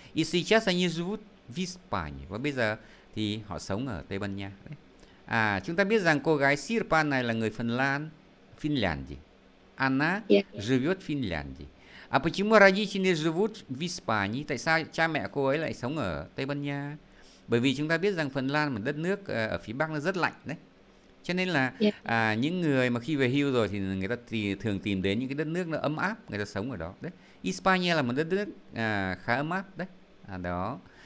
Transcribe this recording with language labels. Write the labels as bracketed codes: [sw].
[ru] И сейчас они живут в Испании. [vi] Và bây giờ thì họ sống ở Tây Ban Nha đấy. Chúng ta biết rằng cô gái Sirpa này là người Phần Lan. [ru] Финляндии. Она живет в Финляндии. А почему родители живут в Испании? [vi] Tại sao cha mẹ cô ấy lại sống ở Tây Ban Nha? Bởi vì chúng ta biết rằng Phần Lan là một đất nước ở phía Bắc, nó rất lạnh đấy. Cho nên là những người mà khi về hưu rồi thì người ta thường tìm đến những cái đất nước nó ấm áp, người ta sống ở đó đấy. España là một đất nước khá ấm áp đấy. Đó.